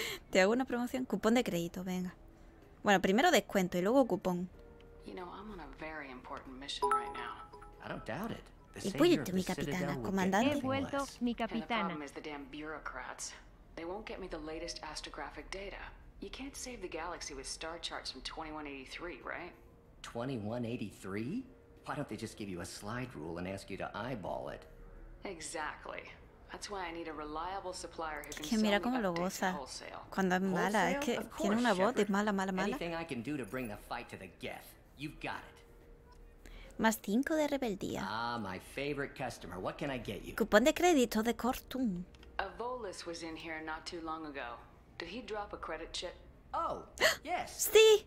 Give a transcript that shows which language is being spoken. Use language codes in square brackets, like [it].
[es] Te hago una promoción, cupón de crédito, venga. Bueno, primero descuento y luego cupón. [en] You know, I'm on a very important mission right now. I don't doubt it. [es] Y puesto mi capitana, comandante. He vuelto mi capitana. [en] The problem is the damn bureaucrats. They won't get me the latest astrographic data. You can't save the galaxy with star charts from 2183, right? 2183? Why don't they just give you a slide rule and ask you to eyeball it? Exactly. That's why I need a reliable supplier who can [es] mira cómo lo goza. Cuando es mala, es que tiene una voz de mala, mala, mala. [en] Anything I can do to bring the fight to the Geth. You've got it. [es] Más 5 de rebeldía. [en] Ah, my favorite customer. What can I get you? [es] Cupón de crédito de Cortum. [en] Avolus was in here not too long ago. Did he drop a credit chip? Oh, yes. [es] Sí.